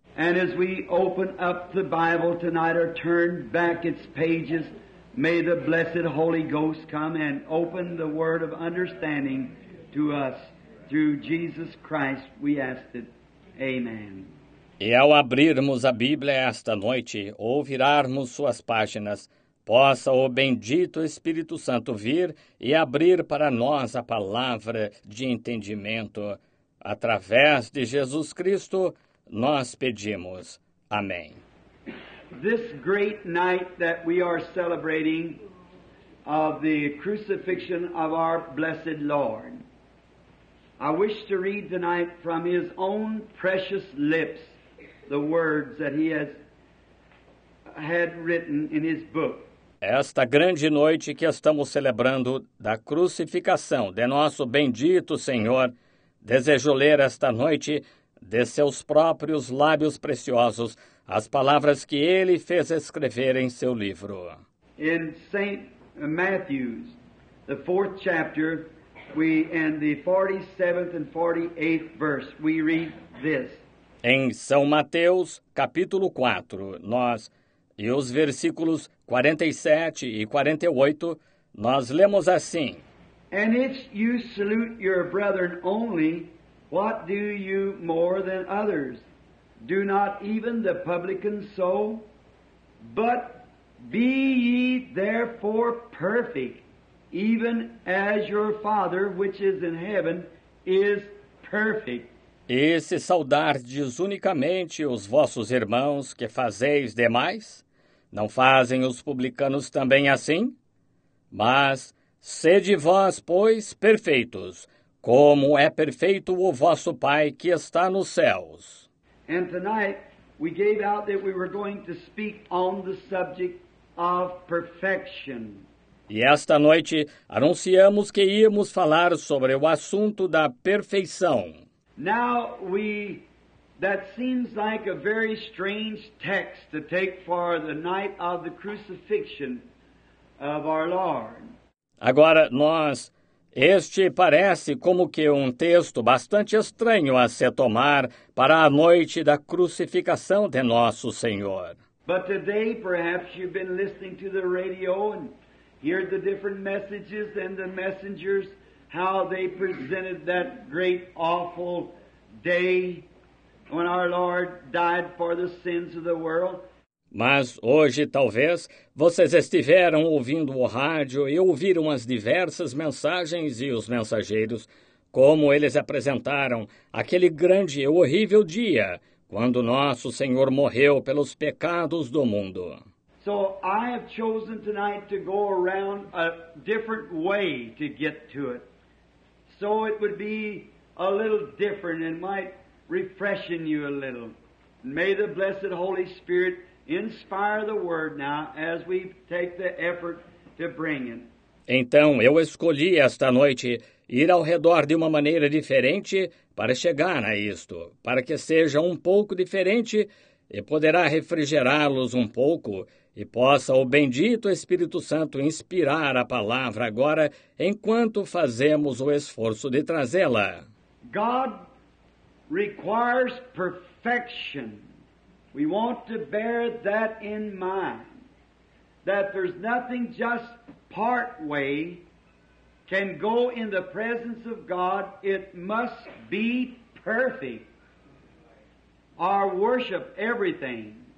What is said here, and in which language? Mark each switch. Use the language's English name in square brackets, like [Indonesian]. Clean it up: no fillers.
[English] And as we open up the Bible tonight or turn back its pages, may the blessed Holy Ghost come and open the word of understanding to us. Through Jesus Christ we ask it. Amen. [Portuguese] E ao abrirmos a Bíblia esta noite, ou virarmos suas páginas, possa o bendito Espírito Santo vir e abrir para nós a palavra de entendimento. Através de Jesus Cristo, nós pedimos. Amém. [English] This great night that we are celebrating of the crucifixion of our blessed Lord, I wish to read tonight from His own precious lips the words that he has had written in his book. [Portuguese] Esta grande noite que estamos celebrando da crucificação de nosso bendito Senhor, desejo ler esta noite de seus próprios lábios preciosos as palavras que ele fez escrever em seu livro. [English] In St. Matthew's, the 4th chapter, we in the 47th and 48th verse, we read this. [Portuguese] Em São Mateus, capítulo 4, nós, e os versículos 47 e 48, nós lemos assim. [English] And if you salute your brethren only, what do you more than others? do not even the publicans so? But be ye therefore perfect, even as your Father which is in heaven is perfect. [Portuguese] E se saudardes unicamente os vossos irmãos, que fazeis demais? Não fazem os publicanos também assim? Mas sede vós, pois, perfeitos, como é perfeito o vosso Pai que está nos céus. [English] And tonight we gave out that we were going to speak on the subject of perfection. [Portuguese] E esta noite anunciamos que íamos falar sobre o assunto da perfeição. [English] Now that seems like a very strange text to take for the night of the crucifixion of our Lord. [Portuguese] Agora este parece como que um texto bastante estranho a se tomar para a noite da crucificação de nosso Senhor. [English] But today perhaps you've been listening to the radio and hear the different messages and the messengers, how they presented that great awful day when our Lord died for the sins of the world. [Portuguese] Mas hoje, talvez, vocês estiveram ouvindo o rádio e ouviram as diversas mensagens e os mensageiros, como eles apresentaram aquele grande e horrível dia quando nosso Senhor morreu pelos pecados do mundo. [English] So I have chosen tonight to go around a different way to get to it. So it would be a little different and might refreshing you a little. May the blessed Holy Spirit inspire the word now as we take the effort to bring it. [Portuguese] Então, eu escolhi esta noite ir ao redor de uma maneira diferente para chegar a isto, para que seja um pouco diferente e poderá refrigerá-los um pouco e possa o bendito Espírito Santo inspirar a palavra agora enquanto fazemos o esforço de trazê-la. [English] God requires perfection. We want to bear that in mind, that there's nothing just part way can go in the presence of God. It must be perfect. Our worship, everything.